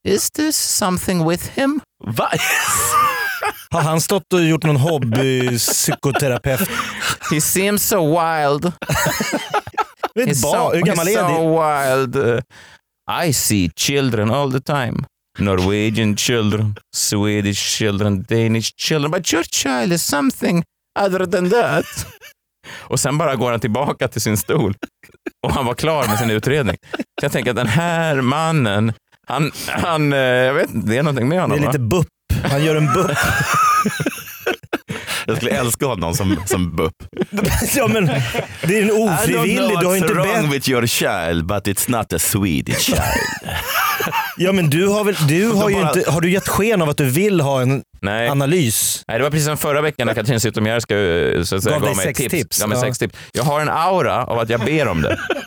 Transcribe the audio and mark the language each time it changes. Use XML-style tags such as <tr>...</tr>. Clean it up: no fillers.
<en>Is this something with him?</en> <sv>Har han stått och gjort någon hobby psykoterapeut?</sv> <en>He seems so wild. He's so wild. I see children all the time. Norwegian children, Swedish children, Danish children. But your child is something other than that.</en> <sv>Och sen bara går han tillbaka till sin stol. Och han var klar med sin utredning. Så jag tänker att den här mannen, han jag vet inte, det är någonting med honom. Det är lite bupp. Han gör en bupp. Jag skulle älska honom som bupp. Ja, men det är en ofrivillig.</sv> <en>I don't know what's wrong with your child, but it's not a Swedish child.</en> <sv>Ja, men har du gett sken av att du vill ha en analys? Nej, det var precis som förra veckan när Katrin Zytomierska så att säga gav mig sex tips. Ja, men sex tips. Jag har en aura av att jag ber om det.</sv>